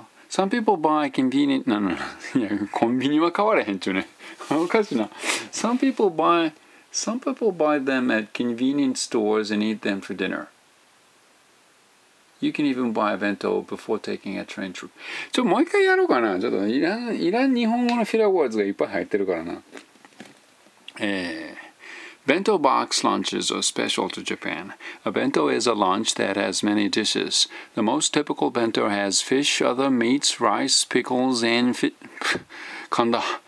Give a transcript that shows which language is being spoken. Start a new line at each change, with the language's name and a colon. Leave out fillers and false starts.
English: Some people buy convenient... Some people buy them at convenience stores and eat them for dinner. You can even buy a bento before taking a train trip.
Japanese: ちょ、もう一回やろうかな。ちょっといらん、いらん日本語のフィラーワーズがいっぱい入ってるからな。
English: Bento box lunches are special to Japan. A bento is a lunch that has many dishes. The most typical bento has fish, other meats, rice, pickles, and kanda.